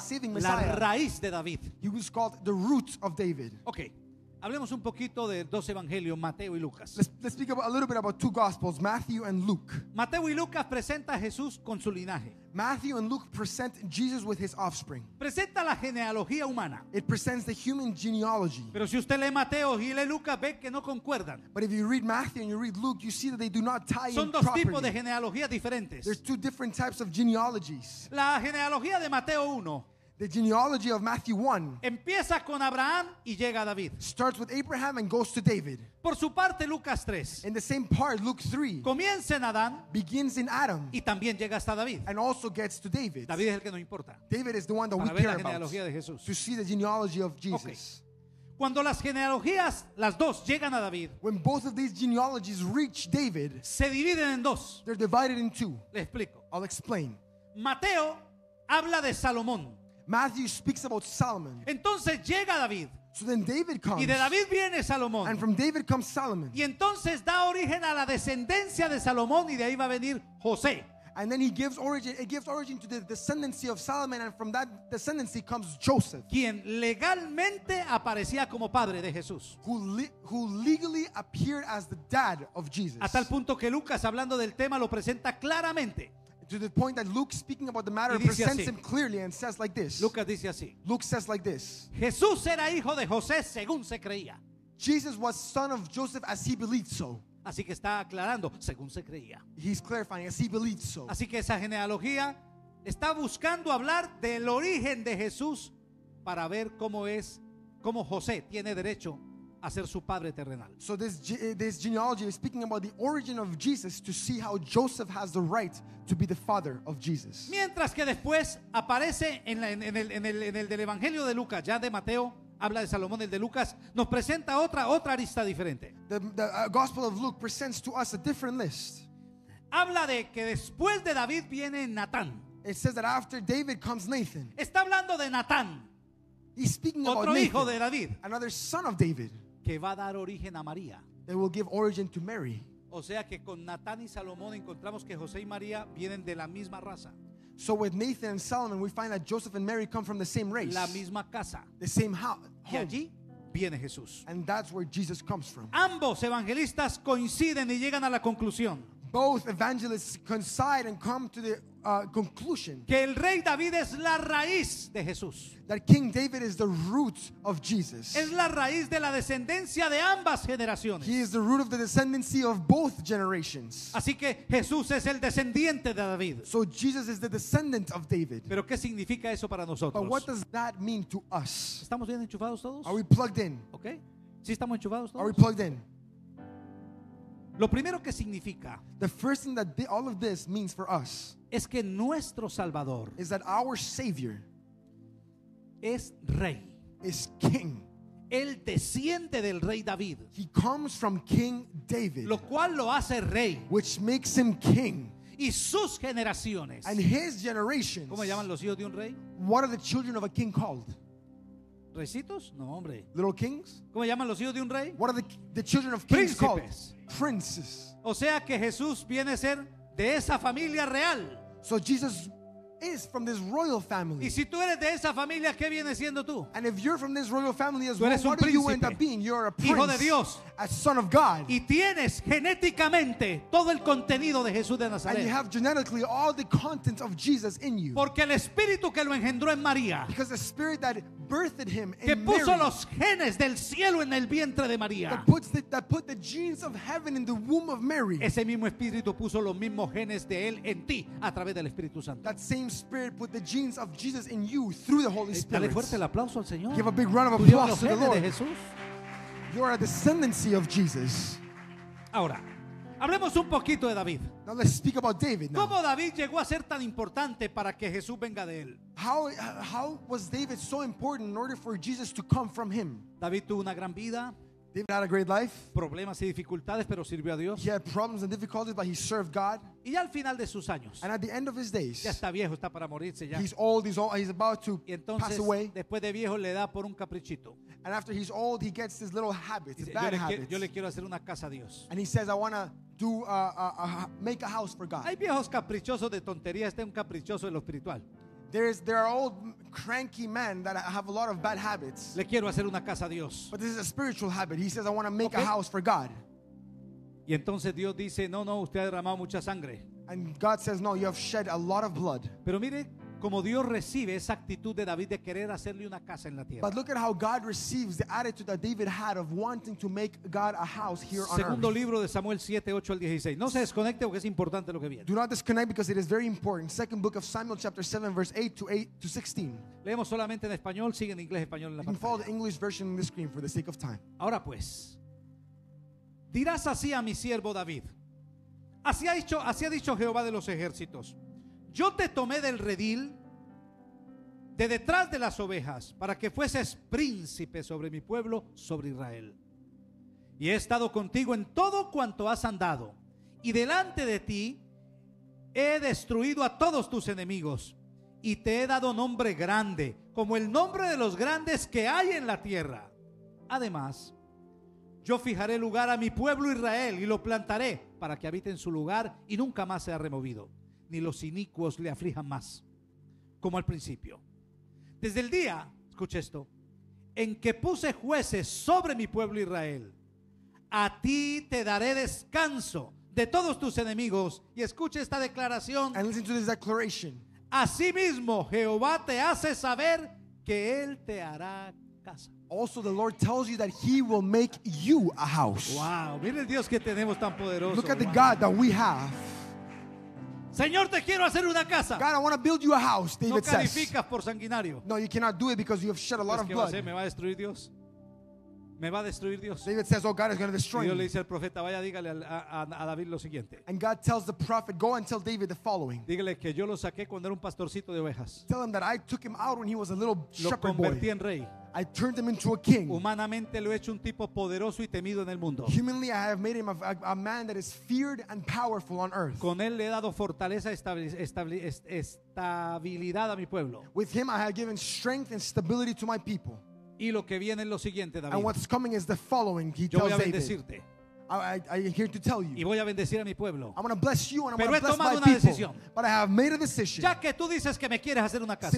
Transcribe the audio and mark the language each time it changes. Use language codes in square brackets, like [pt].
[en] saving Messiah. [es] La raíz de David. [en] He was called the root of David. Okay. [es] Hablemos un poquito de dos evangelios, Mateo y Lucas. [en] Let's speak about, a little bit about two gospels, Matthew and Luke. [es] Mateo y Lucas presenta a Jesús con su linaje. [en] Matthew and Luke present Jesus with his offspring. [es] Presenta la genealogía humana. [en] It presents the human genealogy. [es] Pero si usted lee Mateo y lee Lucas, ve que no concuerdan. [en] But if you read Matthew and you read Luke, you see that they do not tie in properly. [es] Son dos tipos de genealogía diferentes. [en] There's two different types of genealogies. [es] La genealogía de Mateo 1. [en] The genealogy of Matthew 1 [es] empieza con Abraham y llega a David. [en] Starts with Abraham and goes to David. [es] Por su parte, Lucas 3. [en] In the same part, Luke 3. [es] Comienza en Adán. [en] Begins in Adam. [es] Y también llega hasta David. [en] And also gets to David. [es] David es el que nos importa. [en] David is the one that [es] Para [en] we care [es] la genealogía [en] about. [es] De Jesús. [en] To see the genealogy of Jesus. Okay. [es] Cuando las genealogías, las dos, llegan a David. [en] When both of these genealogies reach David. [es] Se dividen en dos. [en] They're divided in two. [es] Le explico. [en] I'll explain. [es] Mateo habla de Salomón. [en] Matthew speaks about Solomon. [es] Entonces llega David. [en] So then David comes. [es] Y de David viene Salomón. [en] And from David comes Solomon. [es] Y entonces da origen a la descendencia de Salomón y de ahí va a venir José. [en] And then it gives origin to the descendancy of Solomon, and from that descendancy comes Joseph. [es] Quien legalmente aparecía como padre de Jesús. [en] Who legally appeared as the dad of Jesus. [es] A tal punto que Lucas, hablando del tema, lo presenta claramente. [en] To the point that Luke, speaking about the matter, presents [es] así. [en] Him clearly and says like this. [es] Lucas dice así. [en] Luke says like this. [es] Jesús era hijo de José según se creía. [en] Jesus was son of Joseph as he believed so. [es] Así que está aclarando según se creía. [en] He's clarifying as he believed so. [es] Así que esa genealogía está buscando hablar del origen de Jesús para ver cómo es, cómo José tiene derecho a ser su padre terrenal. [en] So this genealogy is speaking about the origin of Jesus to see how Joseph has the right to be the father of Jesus. [es] Mientras que después aparece en el del Evangelio de Lucas, ya de Mateo habla de Salomón, el de Lucas nos presenta otra lista diferente. [en] The Gospel of Luke presents to us a different list. [es] Habla de que después de David viene Natán. [en] It says that after David comes Nathan. [es] Está hablando de Natán. [en] He's speaking [es] otro [en] about Nathan, [es] hijo de David. [en] Another son of David. [es] Que va a dar origen a María. [en] They will give origin to Mary. [es] O sea que con Natán y Salomón encontramos que José y María vienen de la misma raza. [en] So with Nathan and Solomon we find that Joseph and Mary come from the same race. [es] La misma casa. [en] The same house. [es] Y allí viene Jesús. [en] And that's where Jesus comes from. [es] Ambos evangelistas coinciden y llegan a la conclusión. [en] Both evangelists coincide and come to the conclusion. [es] Que el rey David es la raíz de Jesús. [en] That King David is the root of Jesus. [es] Es la raíz de la descendencia de ambas generaciones. [en] He is the root of the descendancy of both generations. [es] Así que Jesús es el descendiente de David. [en] So Jesus is the descendant of David. [es] Pero ¿qué significa eso para nosotros? [en] But what does that mean to us? [es] ¿Estamos bien enchufados todos? [en] Are we plugged in? [es] Okay. ¿Sí estamos enchufados todos? [en] Are we plugged in? [es] Lo primero que significa, [en] the first thing that all of this means for us, [es] es que nuestro Salvador, [en] is that our Savior, [es] es rey, [en] is king, [es] Él desciende del rey David. [en] He comes from King David. [es] Lo cual lo hace rey. [en] Which makes him king. [es] Y sus generaciones. [en] And his generations. [es] ¿Cómo llaman los hijos de un rey? [en] What are the children of a king called? [es] ¿Recitos? No, hombre. [en] Little kings? [es] ¿Cómo llaman los hijos de un rey? [en] What are the children of kings called? Princes. [es] O sea que Jesús viene a ser de esa familia real. [en] So Jesus is from this royal family. [es] Y si tú eres de esa familia, ¿qué viene siendo tú? [en] And if you're from this royal family as well, what do you end up being? You're a prince. [es] Hijo de Dios. [en] A son of God. [es] Y tienes genéticamente todo el contenido de Jesús de Nazaret. [en] And you have genetically all the contents of Jesus in you. [es] Porque el espíritu que lo engendró en María. [en] Because the spirit that birthed him in [es] que puso [en] Mary, [es] los genes del cielo en el vientre de María. [en] That put the genes of heaven in the womb of Mary. [es] Ese mismo espíritu puso los mismos genes de él en ti a través del Espíritu Santo. [en] That same spirit put the genes of Jesus in you through the Holy Spirit. [es] Dale fuerte el aplauso al Señor. [en] Give a big round of applause to the Lord. [es] De Jesús. [en] You are a descendancy of Jesus. [es] Ahora, hablemos un poquito de David. [en] Now let's speak about David. Now. [es] ¿Cómo David llegó a ser tan importante para que Jesús venga de él? [en] How was David so important in order for Jesus to come from him? [es] David tuvo una gran vida. [en] David had a great life. [es] Problemas y dificultades, pero sirvió a Dios. [en] He had problems and difficulties, but he served God. [es] Y ya al final de sus años. [en] And at the end of his days. [es] Ya está viejo, está para morirse ya. [en] He's old, he's about to [es] y entonces, [en] pass away. [es] Después de viejo le da por un caprichito. [en] And after he's old, he gets his little habits, his bad habits. [es] Yo le quiero hacer una casa a Dios. [en] And he says, I want to do make a house for God. [es] Hay viejos caprichosos de tontería, este es un caprichoso de lo espiritual. [en] There are old cranky men that have a lot of bad habits. [es] Le quiero hacer una casa a Dios. [en] But this is a spiritual habit. He says, I want to make a house for God. [es] Y entonces Dios dice, no, no, usted ha derramado mucha sangre. [en] And God says, no, you have shed a lot of blood. [es] Pero mire como Dios recibe esa actitud de David de querer hacerle una casa en la tierra. [en] But look at how God receives the attitude that David had of wanting to make God a house here on earth. [es] Segundo libro de Samuel 7, 8 al 16. No se desconecte porque es importante lo que viene. [en] Do not disconnect because it is very important. Second book of Samuel chapter 7 verse 8 to 16. [es] Leemos solamente en español, sigue en inglés, español en la pantalla. [en] You can follow the English version on the screen for the sake of time. [es] Ahora pues, dirás así a mi siervo David. Así ha dicho Jehová de los ejércitos. Yo te tomé del redil de detrás de las ovejas para que fueses príncipe sobre mi pueblo, sobre Israel. Y he estado contigo en todo cuanto has andado. Y delante de ti he destruido a todos tus enemigos. Y te he dado nombre grande, como el nombre de los grandes que hay en la tierra. Además, yo fijaré lugar a mi pueblo Israel y lo plantaré para que habite en su lugar y nunca más sea removido. Ni los inicuos le aflijan más, como al principio. Desde el día, escuche esto, en que puse jueces sobre mi pueblo Israel, a ti te daré descanso de todos tus enemigos. Y escuche esta declaración. [en] And listen to this declaration. [es] Asimismo, Jehová te hace saber que Él te hará casa. [en] Also, the Lord tells you that He will make you a house. [es] Wow, mire el Dios que tenemos tan poderoso. [en] Look at the God that we have. [es] Señor, te quiero hacer una casa. [en] God, I want to build you a house, David says. [es] No calificas por sanguinario. [en] No, you cannot do it because you have shed a lot of blood. [es] ¿Me va a destruir Dios? ¿Me va a destruir Dios? [en] David says, oh, God is going to destroy you. [es] Dios le dice al profeta, vaya, dígale a David lo siguiente. [en] And God tells the prophet, go and tell David the following. [es] Dígale que yo lo saqué cuando era un pastorcito de ovejas. [en] Tell him that I took him out when he was a little shepherd boy. [es] Lo convertí en rey. [en] I turned him into a king. [es] Humanamente lo he hecho un tipo poderoso y temido en el mundo. [en] Humanly I have made him a man that is feared and powerful on earth. [es] Con él le he dado fortaleza, estabilidad a mi pueblo. [en] With him I have given strength and stability to my people. [es] Y lo que viene es lo siguiente, David. [en] And what's coming is the following, he [es] Yo voy a bendecirte. [en] David. I am here to tell you. [es] Y voy a bendecir a mi pueblo. [en] I'm going to bless you and [es] Pero [en] I'm going to bless my [es] una [en] people. [es] Decisión. [en] But I have made a decision. [es] Ya que tú dices que me quieres hacer una casa.